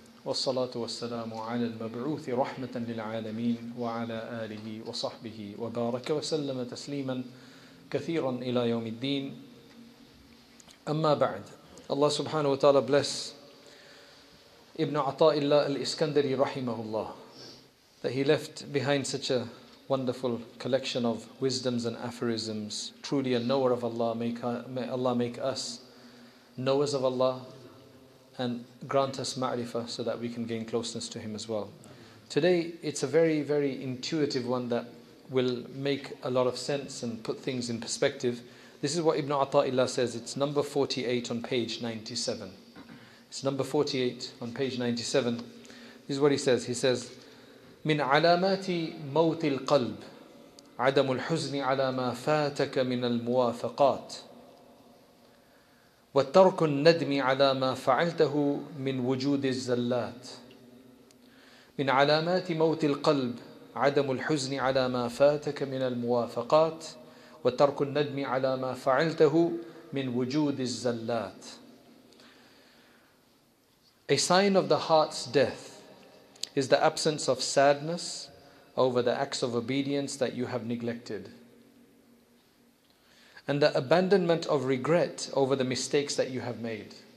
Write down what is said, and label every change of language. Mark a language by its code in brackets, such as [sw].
[ar] والصلاة والسلام على المبعوث رحمة للعالمين وعلى آله وصحبه وبارك وسلم تسليما كثيرا إلى يوم الدين أما بعد الله سبحانه وتعالى [en] bless [ar] ابن عطاء الله الإسكندري رحمه الله [en] that he left behind such a wonderful collection of wisdoms and aphorisms. Truly a knower of Allah, may Allah make us knowers of Allah and grant us ma'rifah so that we can gain closeness to him as well. Today, it's a very, very intuitive one that will make a lot of sense and put things in perspective. This is what Ibn Ata'illah says. It's number 48 on page 97. It's number 48 on page 97. This is what he says. He says, [ar] مِنْ عَلَامَاتِ مَوْتِ الْقَلْبِ عَدَمُ الْحُزْنِ عَلَى مَا فَاتَكَ مِنَ الْمُوَافَقَاتِ والترك الندم على ما فعلته من وجود الزلات من علامات موت القلب عدم الحزن على ما فاتك من الموافقات وترك الندم على ما فعلته من وجود الزلات. [en] A sign of the heart's death is the absence of sadness over the acts of obedience that you have neglected, and the abandonment of regret over the mistakes that you have made.